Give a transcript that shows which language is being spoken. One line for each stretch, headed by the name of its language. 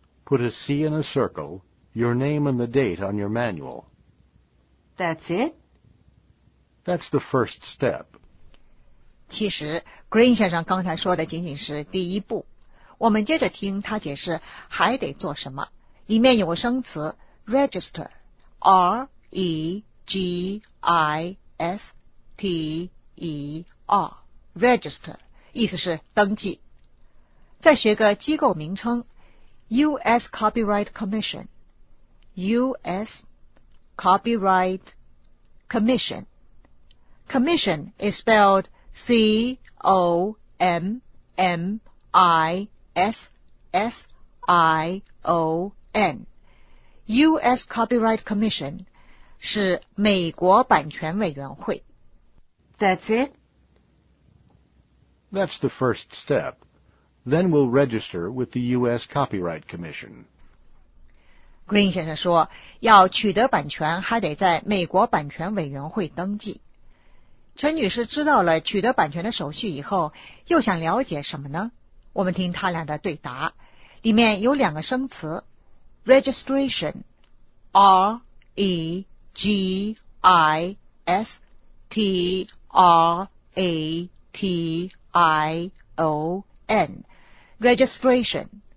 English: Put a C in a circle, your name and the date on your manual. That's it? That's the first step.
Chinese: 其实 Green 先生刚才说的仅仅是第一步。我们接着听他解释还得做什么。里面有个生词 register, R-E-G-I-S-T-E-R, register, 意思是登记。再学个机构名称。U.S. Copyright Commission. U.S.
English: Copyright Commission. Commission is spelled C-O-M-M-I-S-S-I-O-N. U.S.
Chinese: Copyright Commission 是美国版权委员会。
English: That's it? That's the first step. Then we'll register with the U.S. Copyright Commission.
Chinese: Green 先生说，要取得版权还得在美国版权委员会登记。陈女士知道了取得版权的手续以后，又想了解什么呢？我们听他俩的对答，里面有两个生词 ，registration, R-E-G-I-S-T-R-A-T-I-O-N. Registration.